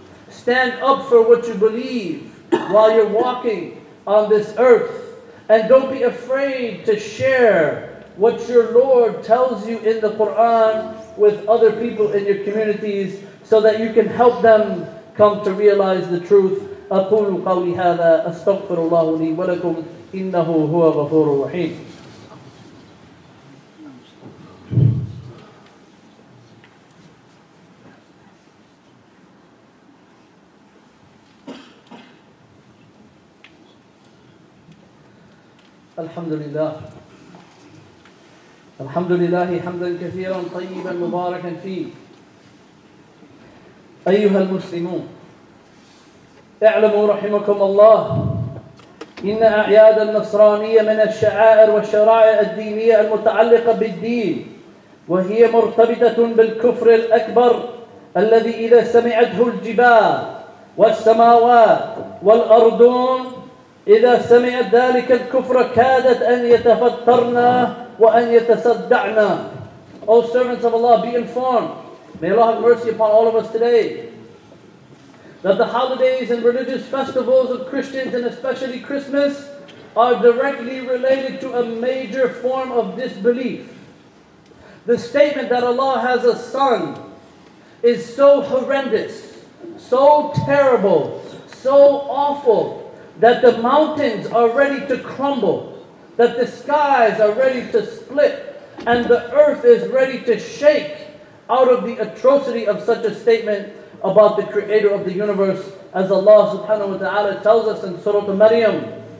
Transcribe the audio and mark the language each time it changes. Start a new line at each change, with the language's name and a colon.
English: Stand up for what you believe while you're walking on this earth. And don't be afraid to share what your Lord tells you in the Quran with other people in your communities, so that you can help them come to realize the truth.
Arabic: أقول قولي هذا أستغفر الله لي ولكم إنه هو غفور رحيم. الحمد لله الحمد لله حمدا كثيرا طيبا مباركا فيه. أيها المسلمون, اعلموا رحمكم الله إن أعياد النصرانية من الشعائر والشرائع الدينية المتعلقة بالدين, وهي مرتبطة بالكفر الأكبر الذي إذا سمعته الجبال والسماوات والأرضون, إذا سمعت ذلك الكفر كادت أن يتفطرنا وأن يتصدعنا.
English: O servants of Allah, be informed. May Allah have mercy upon all of us today. That the holidays and religious festivals of Christians, and especially Christmas, are directly related to a major form of disbelief. The statement that Allah has a son is so horrendous, so terrible, so awful, that the mountains are ready to crumble, that the skies are ready to split, and the earth is ready to shake out of the atrocity of such a statement about the creator of the universe, as Allah subhanahu wa ta'ala tells us in Surah Maryam.